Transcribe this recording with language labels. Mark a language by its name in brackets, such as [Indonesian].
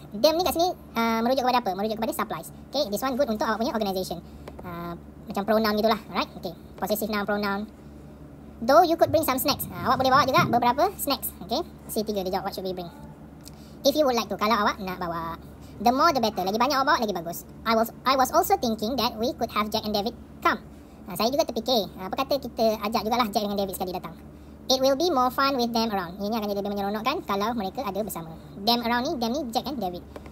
[Malay] Them ni kat sini merujuk kepada apa? Merujuk kepada supplies. [English] Okay, this one good [Malay] untuk awak punya [English] organisation. Macam pronoun gitulah. Alright, okay. Possessive noun, pronoun. Though you could bring some snacks. [Malay] Awak boleh bawa juga beberapa snacks. [English] Okay, C3 dia jawab, what should we bring? If you would like to, [Malay] kalau awak nak bawa. [English] The more the better. [Malay] Lagi banyak awak bawa, lagi bagus. [English] I was also thinking that we could have Jack and David come. [Malay] Saya juga terfikir. Apa kata kita ajak jugalah Jack dengan David sekali datang. [English] It will be more fun with them around. [Malay] Ini akan jadi lebih menyeronokkan kalau mereka ada bersama. [English] Them around ni, them ni Jack and David.